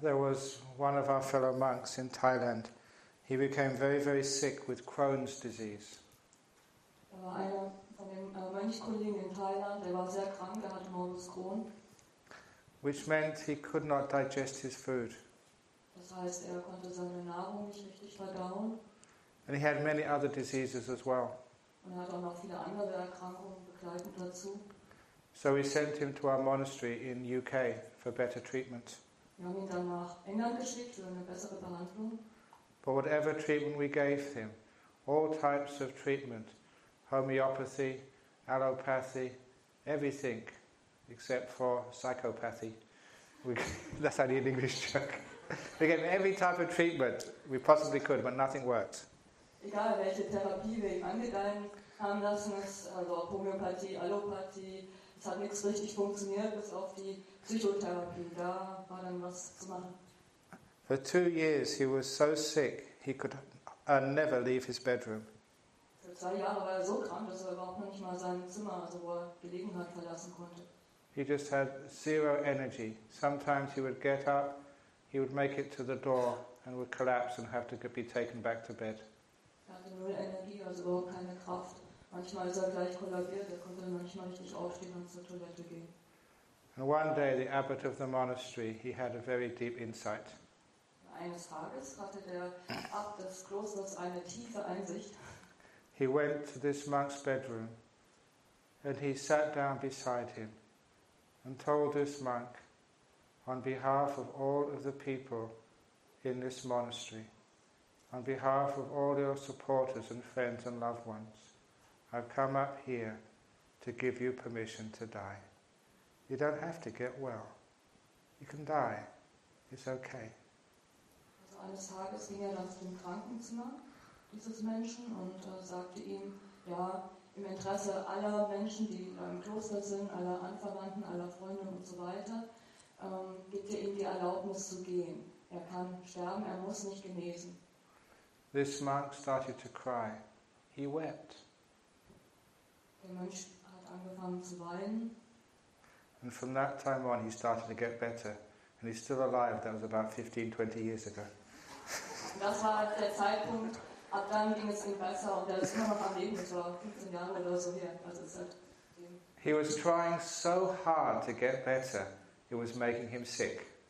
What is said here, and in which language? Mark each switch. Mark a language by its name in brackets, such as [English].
[English] There was one of our fellow monks in Thailand. He became very, very sick with Crohn's disease. [German] Einer von den Mönchkollegen in Thailand, der war sehr krank, er hatte Morbus Crohn. [English] Which meant he could not digest his food. [German] Das heißt, er konnte seine Nahrung nicht richtig verdauen. [English] And he had many other diseases as well. [German] Und er hat auch noch viele andere Erkrankungen begleitend dazu. [English] So we sent him to our monastery in UK for better treatment. [German] Wir haben ihn dann nach England geschickt für eine bessere Behandlung. [English] But whatever treatment we gave him, all types of treatment, homeopathy, allopathy, everything, except for psychopathy. That's only an English joke. We gave him every type of treatment we possibly could, but nothing worked. [German] Egal welche Therapie wir ihm angedeihen haben lassen, also Homöopathie, Allopathie. Es hat nichts richtig funktioniert, bis auf die Psychotherapie. Da war dann was zu machen. [English] For 2 years he was so sick, he could never leave his bedroom. [German] Für 2 Jahre war er so krank, dass er überhaupt nicht mal sein Zimmer, also wo er gelegen hat, verlassen konnte. [English] He just had zero energy. Sometimes he would get up, he would make it to the door and would collapse and have to be taken back to bed. [German] Er hatte null Energie, also überhaupt keine Kraft. Manchmal ist er gleich kollabiert, er konnte manchmal richtig aufstehen und zur Toilette gehen. [English] And one day the abbot of the monastery, he had a very deep insight. [German] Eines Tages hatte der Abt des Klosters eine tiefe Einsicht. [English] He went to this monk's bedroom and he sat down beside him and told this monk, on behalf of all of the people in this monastery, on behalf of all your supporters and friends and loved ones, I've come up here to give you permission to die. You don't have to get well. You can die. It's okay. [German] Also eines Tages ging er dann zum Krankenzimmer dieses Menschen und sagte ihm, ja, im Interesse aller Menschen, die in einem Kloster sind, aller Anverwandten, aller Freunde und so weiter, gibt er ihm die Erlaubnis zu gehen. Er kann sterben, er muss nicht genesen. [English] This monk started to cry. He wept. [German] Der Mönch hat angefangen zu weinen. [English] And from that time on he started to get better. And he's still alive. That was about 15, 20 years ago. [German] Das war der Zeitpunkt, ab dann ging es ihm besser und er ist immer noch am Leben. Das war 15 Jahre oder so her. Also [English] he was trying so hard to get better, it was making him sick.